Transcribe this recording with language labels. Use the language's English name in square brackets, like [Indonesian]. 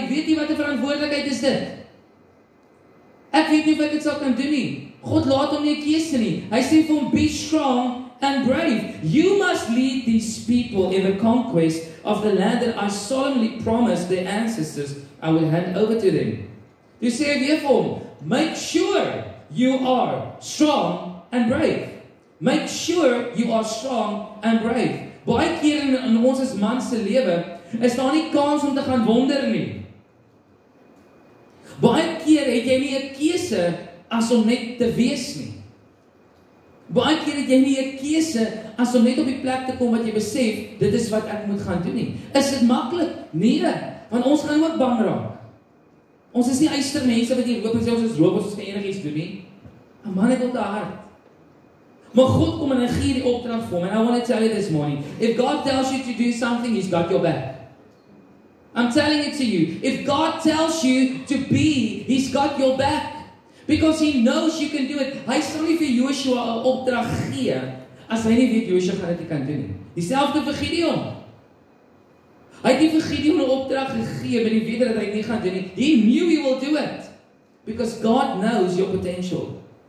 [Afrikaans] Weet U wat 'n verantwoordelikheid is dit? Ek weet nie wat ek sal kan doen nie. God laat hom nie 'n keuse nie. Hy sê vir hom, [English] "Be strong and brave. You must lead these people in the conquest of the land that I solemnly promised their ancestors I will hand over to them." [Afrikaans] Dis sê weer vir hom, [English] "Make sure you are strong and brave. Make sure you are strong and brave. [Afrikaans] Baie keer in ons as mans se lewe is daar nie kans om te gaan wonder nie. Baie keer het jy nie 'n keuse as om net te wees nie. Baie keer het jy nie 'n keuse as om net op die plek te kom wat jy besef, dit is wat ek moet gaan doen nie. Is dit maklik? Nee, want ons gaan ook bang raak. Ons is nie eister mense wat hier loop en sê ons is robots, ons kan enigiets doen nie. 'N Man het op die hart. Maar God kom en hy gee die opdrag vir hom. [English] And I want to tell you this morning. If God tells you to do something, he's got your back. I'm telling it to you. If God tells you to be, he's got your back. Because he knows you can do it. [Afrikaans] Hy sal nie vir Joshua 'n opdrag gee as hy nie weet Joshua gaan dit kan doen nie. Dieselfde vir Gideon. Hy het nie vir Gideon 'n opdrag gegee met die weder dat hy nie gaan doen nie. [English] He knew he will do it. Because God knows your potential.